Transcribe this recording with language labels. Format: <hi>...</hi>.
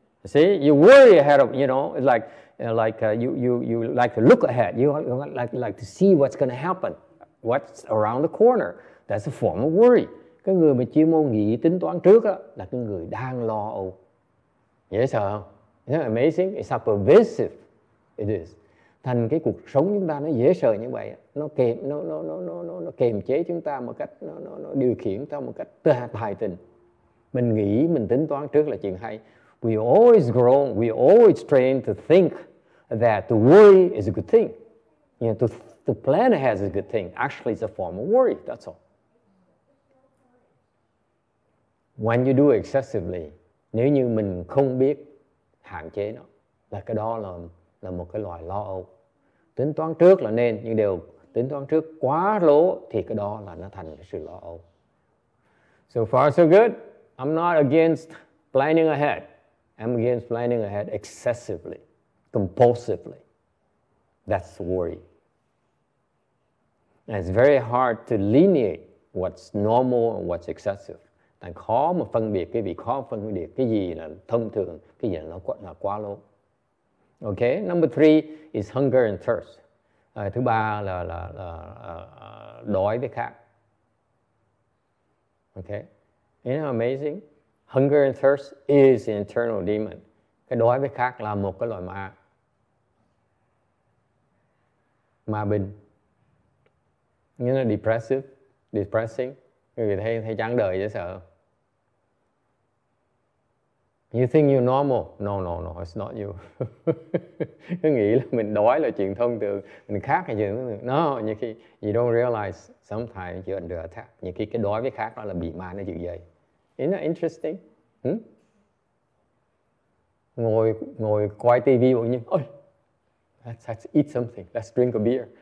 <en>See, you worry ahead of, you know, you like to look ahead. You like to see what's going to happen, what's around the corner. That's a form of worry.</en> <vi>Cái người mà chuyên môn nghĩ tính toán trước đó, là cái người đang lo âu. Dễ sợ không?</vi> <en>Isn't that amazing? It's how pervasive it is.</en> <vi>Thành cái cuộc sống chúng ta nó dễ sợ như vậy, nó kềm chế chúng ta một cách, nó điều khiển chúng ta một cách tài tình. Mình nghĩ mình tính toán trước là chuyện hay.</vi> <en>We always grown, we always trained to think that to worry is a good thing. You know, to plan ahead is a good thing. Actually, it's a form of worry. That's all. When you do excessively,</en> <vi>nếu như mình không biết hạn chế nó, là cái đó là một cái loại lo âu. Tính toán trước là nên, nhưng đều tính toán trước quá lố thì cái đó là nó thành cái sự lo âu.</vi> <en>So far so good. I'm not against planning ahead. I'm against planning ahead excessively, compulsively. That's worry. And it's very hard to delineate what's normal and what's excessive.</en> <vi>Thành khó mà phân biệt cái gì, khó phân biệt cái gì là thông thường, cái gì là quá lố.</vi> <en>Okay, number three is hunger and thirst.</en> <vi>Thứ ba là đói với khát.</vi> <en>Okay, isn't that amazing? Hunger and thirst is an internal demon.</en> <vi>Cái đói với khát là một cái loại ma. Ma bình. Như là</vi> <en>depressive, depressing.</en> <vi>Người thấy chán đời dễ sợ không?</vi> <en>You think you're normal? No, it's not you.</en> <vi>Cứ nghĩ là mình đói là chuyện thông thường, mình khát là chuyện thông thường.</vi> <en>No,</en> <vi>nhiều khi</vi> <en>you don't realize sometimes you're under attack.</en> <vi>Nhiều khi cái đói với khát đó là bị ma nó dữ dậy.</vi> <en>Isn't that interesting?</en> <vi>Ngồi coi TV bỗng nhiên, ôi,</vi> <en>let's eat something, let's drink a beer.</en>